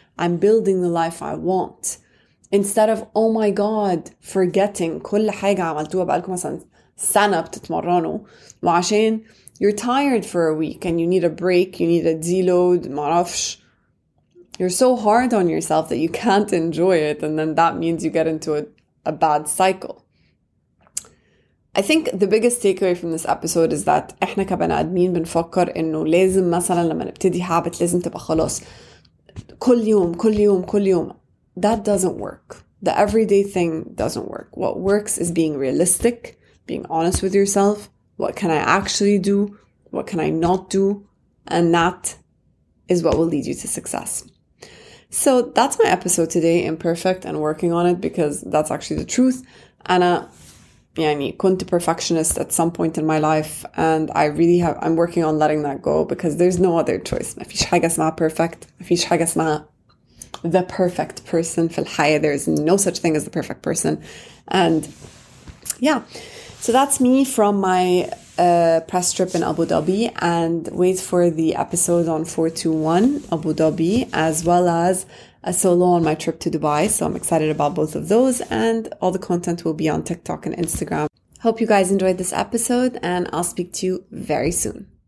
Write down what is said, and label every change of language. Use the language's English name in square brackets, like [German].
[English] I'm building the life I want. Instead of, oh my God, forgetting [Arabic] كل حاجة عملتوها بقالكم مثلا سنة بتتمرنوا وعشان [English] you're tired for a week and you need a break, you need a deload, [Arabic] معرفش. [English] You're so hard on yourself that you can't enjoy it, and then that means you get into a bad cycle. I think the biggest takeaway from this episode is that [Arabic] احنا كبني آدمين بنفكر انه لازم مثلا لما نبتدي [English] habit [Arabic] لازم تبقى خلاص كل يوم [English] كل يوم كل يوم. That doesn't work. The everyday thing doesn't work. What works is being realistic, being honest with yourself. What can I actually do? What can I not do? And that is what will lead you to success. So that's my episode today, imperfect and working on it, because that's actually the truth. Anna, [Arabic] يعني كنت [English] perfectionist at some point in my life, and I'm working on letting that go, because there's no other choice. [Arabic] مفيش حاجة اسمها perfect, مفيش حاجة اسمها [English] the perfect person [Arabic] في الحياة. [English] There is no such thing as the perfect person. And yeah, so that's me from my press trip in Abu Dhabi, and wait for the episode on 421 Abu Dhabi, as well as a solo on my trip to Dubai. So I'm excited about both of those, and all the content will be on TikTok and Instagram. Hope you guys enjoyed this episode, and I'll speak to you very soon.